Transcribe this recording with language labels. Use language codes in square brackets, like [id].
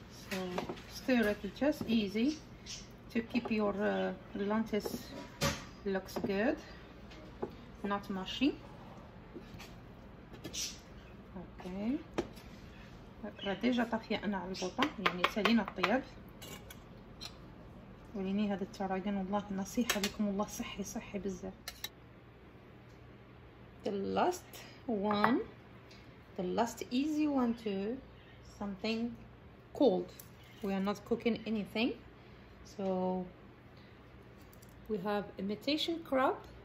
[en] So stir it just easy to keep your lentils looks good, not mushy. Okay. [ar] راه ديجا طافية أنا على البوطة، يعني سالينا الطياب. وريني هذا التراجن، والله نصيحة لكم، والله صحي صحي بزاف. [en] The last one, the last easy one to something cold. We are not cooking anything. So we have imitation crab.